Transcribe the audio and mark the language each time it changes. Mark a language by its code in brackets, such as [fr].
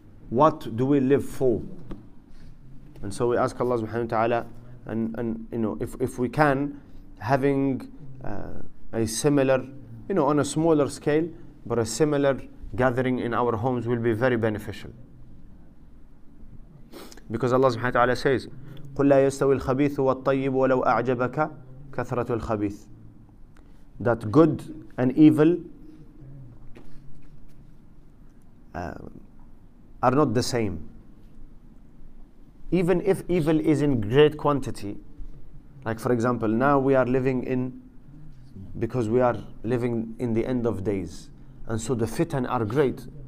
[en] What do we live for? And so we ask Allah subhanahu wa ta'ala, and you know, if we can, having a similar, you know, on a smaller scale, but a similar gathering in our homes will be very beneficial. Because Allah subhanahu wa ta'ala says, [ar] قُلْ لَا يَسْتَوِي الْخَبِيثُ وَالطَّيِّبُ وَلَوْ أَعْجَبَكَ كَثْرَةُ الْخَبِيثُ. [en] That good and evil are not the same. Even if evil is in great quantity, like for example, now we are living in, because we are living in the end of days, and so the fitan are great.